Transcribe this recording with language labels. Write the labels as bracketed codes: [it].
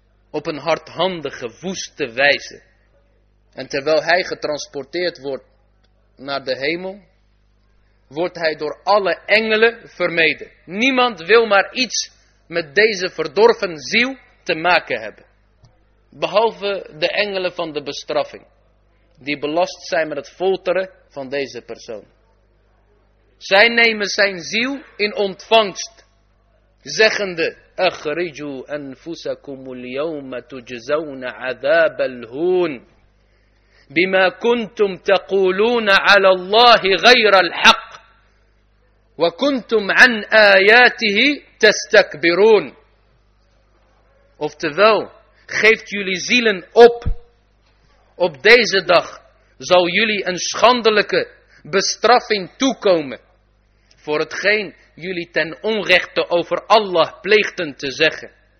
[nl] Op een hardhandige, woeste wijze. En terwijl hij getransporteerd wordt naar de hemel, wordt hij door alle engelen vermeden. Niemand wil maar iets met deze verdorven ziel te maken hebben. Behalve de engelen van de bestraffing, die belast zijn met het folteren van deze persoon. Zij nemen zijn ziel in ontvangst, zeggende, [ar] اخرجوا انفسكم اليوم تجزون عذاب الهون بما كنتم تقولون على الله غير الحق وكنتم عن اياته تستكبرون. [nl] Oftewel, geeft jullie zielen op. Op deze dag zal jullie een schandelijke bestraffing toekomen voor hetgeen jullie ten onrechte over Allah pleegden te zeggen.